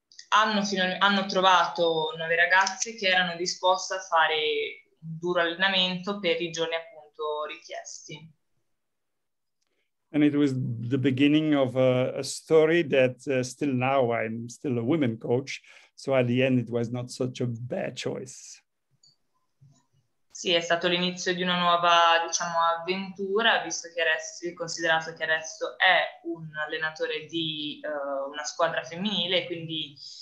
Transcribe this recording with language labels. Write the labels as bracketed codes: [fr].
[it] Hanno trovato 9 ragazze che erano disposte a fare un duro allenamento per i giorni appunto richiesti. [en] And it was the beginning of a story that still now I'm still a women coach, so at the end it was not such a bad choice. [it] Sì, è stato l'inizio di una nuova, diciamo, avventura, visto che considerato che adesso è un allenatore di una squadra femminile, quindi